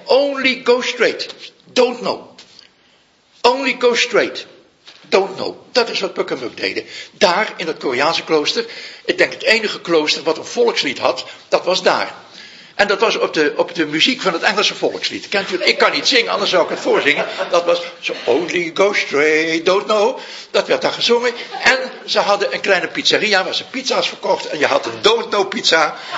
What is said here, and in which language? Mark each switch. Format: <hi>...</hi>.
<en>Only go straight. Don't know. Only go straight. Don't know.</en> <nl>Dat is wat Puk en Muk deden. Daar in het Koreaanse klooster. Ik denk het enige klooster wat een volkslied had. Dat was daar. En dat was op de muziek van het Engelse volkslied. Kent u het? Ik kan niet zingen, anders zou ik het voorzingen. Dat was</nl> <en>so only go straight, don't know.</en> <nl>Dat werd daar gezongen. En ze hadden een kleine pizzeria waar ze pizza's verkocht. En je had een</nl> <en>don't know</en> <nl>pizza.</nl>